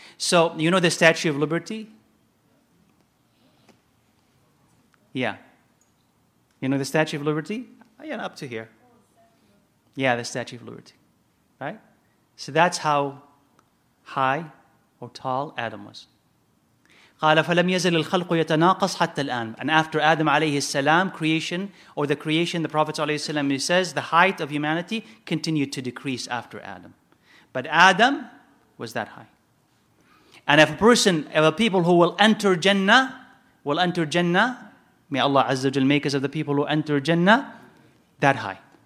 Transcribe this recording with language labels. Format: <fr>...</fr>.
<en>So you know the Statue of Liberty? Yeah. You know the Statue of Liberty? Oh, yeah, up to here. Yeah, the Statue of Liberty. Right? So that's how high or tall Adam was.</en> <ar>قال فلم يزل الخلق يتناقص حتى الآن.</ar> <en>And after Adam عليه السلام, creation, or the creation, the Prophet عليه السلام, he says, the height of humanity continued to decrease after Adam. But Adam was that high. And if a person, if a people who will enter Jannah, will enter Jannah, may Allah Azza wa Jal make us of the people who enter Jannah, that high.</en>